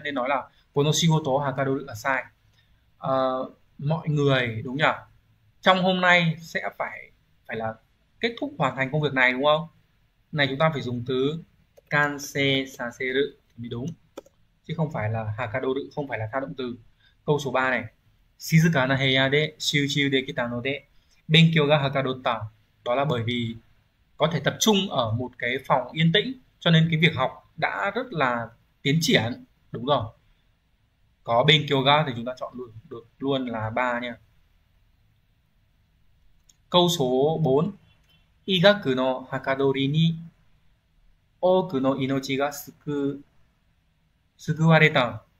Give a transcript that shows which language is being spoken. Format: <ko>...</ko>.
<vi>Nên nói là</vi> <ja>kono shigoto o hakadoru</ja> <vi>là sai. Mọi người đúng nhỉ? Trong hôm nay sẽ phải phải là kết thúc hoàn thành công việc này đúng không? Này chúng ta phải dùng từ kanse saseru mới đúng. Chứ không phải là hakadoru, không phải là tha động từ. Câu số 3 này.</vi> <ja>静かな部屋で集中できたので勉強がはかどった。</ja> <vi>đó là bởi vì có thể tập trung ở một cái phòng yên tĩnh cho nên cái việc học đã rất là tiến triển. Đúng rồi, có bên yoga thì chúng ta chọn luôn được luôn là ba nha. Câu số 4,</vi> <ja>Igaku no hakadori ni ooku no inochi ga sukuwareta.</ja>